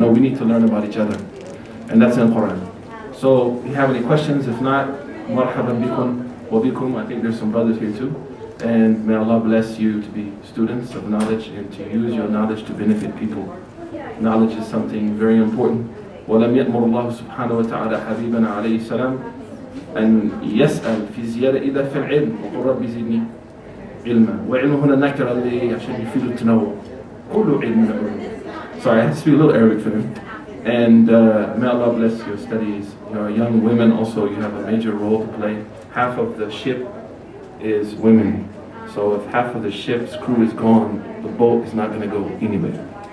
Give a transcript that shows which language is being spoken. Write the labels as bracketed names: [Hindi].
[English] No, we need to learn about each other. And that's in the Quran. So, if you have any questions, if not, marhaban bikum wa bikum. I think there's some brothers here too. And may Allah bless you to be students of knowledge and to use your knowledge to benefit people. Knowledge is something very important. [Arabic] وَلَمْ يَأْمُرُ اللَّهُ سُبْحَانَهُ وَتَعَالَى حَبِيبًا عَلَيْهِ السَّلَامُ أن يسأل في زيادة إذا في العلم وقل ربي زدني علما وعلم هنا نكر اللي عشان يفيد التنوع كل علم من العلم. [English] Sorry, I had to speak a little Arabic for him. And may Allah bless your studies. Your young women also, you have a major role to play. Half of the ship is women. So if half of the ship's crew is gone, the boat is not going to go anywhere.